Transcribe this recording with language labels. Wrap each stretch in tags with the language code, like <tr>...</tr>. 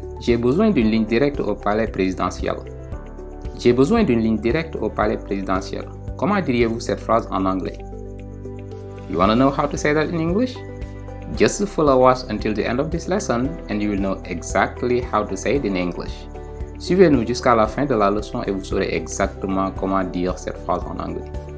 <fr>J'ai besoin d'une ligne directe au palais présidentiel. J'ai besoin d'une ligne directe au palais présidentiel. Comment diriez-vous cette phrase en anglais?</fr> <en>You want to know how to say that in English? Just follow us until the end of this lesson and you will know exactly how to say it in English.</en> <fr>Suivez-nous jusqu'à la fin de la leçon et vous saurez exactement comment dire cette phrase en anglais.</fr>